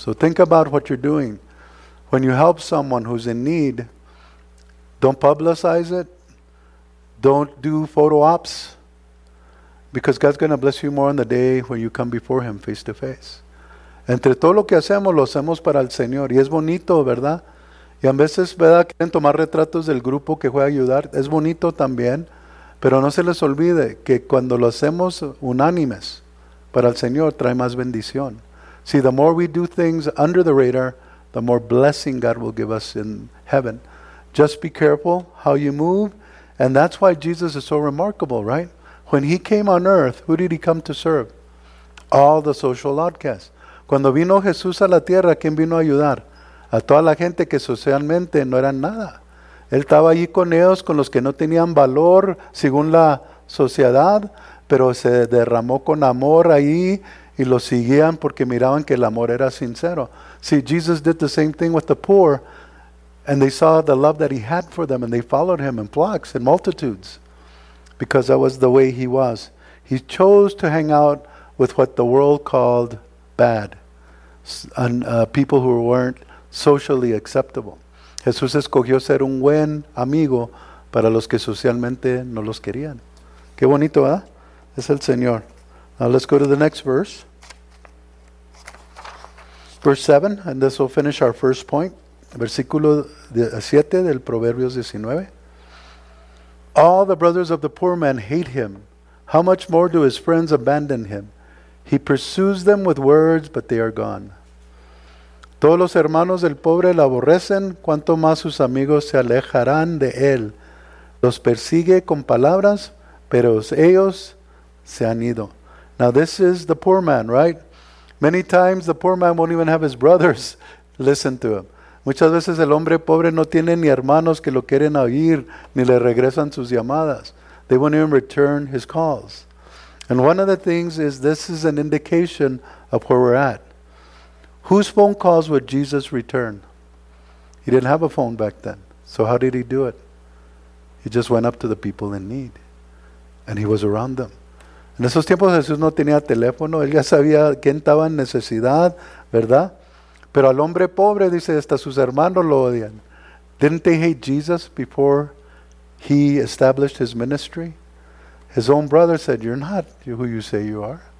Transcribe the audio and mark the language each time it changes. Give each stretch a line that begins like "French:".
English: So think about what you're doing. When you help someone who's in need, don't publicize it. Don't do photo ops, because God's going to bless you more on the day when you come before Him face to face.
Spanish: Entre todo lo hacemos para el Señor. Y es bonito, ¿verdad? Y a veces, ¿verdad?, quieren tomar retratos del grupo que fue a ayudar. Es bonito también. Pero no se les olvide que cuando lo hacemos unánimes para el Señor, trae más bendición.
English: See, the more we do things under the radar, the more blessing God will give us in heaven. Just be careful how you move. And that's why Jesus is so remarkable, right? When he came on earth, who did he come to serve? All the social outcasts.
Spanish: Cuando vino Jesús a la tierra, ¿quién vino a ayudar? A toda la gente que socialmente no era nada. Él estaba allí con ellos, con los que no tenían valor según la sociedad, pero se derramó con amor ahí y lo seguían porque miraban que el amor era sincero.
English: See, Jesus did the same thing with the poor. And they saw the love that he had for them, and they followed him in flocks and multitudes, because that was the way he was. He chose to hang out with what the world called bad, and people who weren't socially acceptable.
Spanish: Jesús escogió ser un buen amigo para los que socialmente no los querían. Qué bonito, ¿eh? Es el Señor.
English: Now let's go to the next verse. Verse 7, and this will finish our first point.
Spanish: Versículo 7 del Proverbios 19.
English: All the brothers of the poor man hate him. How much more do his friends abandon him? He pursues them with words, but they are gone.
Spanish: Todos los hermanos del pobre lo aborrecen, cuanto más sus amigos se alejarán de él. Los persigue con palabras, pero ellos se han ido.
English: Now this is the poor man, right? Many times the poor man won't even have his brothers listen to him.
Spanish: Muchas veces el hombre pobre no tiene ni hermanos que lo quieren oír, ni le regresan sus llamadas.
English: They won't even return his calls. And one of the things is, this is an indication of where we're at. Whose phone calls would Jesus return? He didn't have a phone back then. So how did he do it? He just went up to the people in need. And he was around them.
Spanish: En esos tiempos Jesús no tenía teléfono, él ya sabía quién estaba en necesidad, ¿verdad? Pero al hombre pobre, dice, hasta sus hermanos lo odian.
English: Didn't they hate Jesus before he established his ministry? His own brother said, "You're not who you say you are."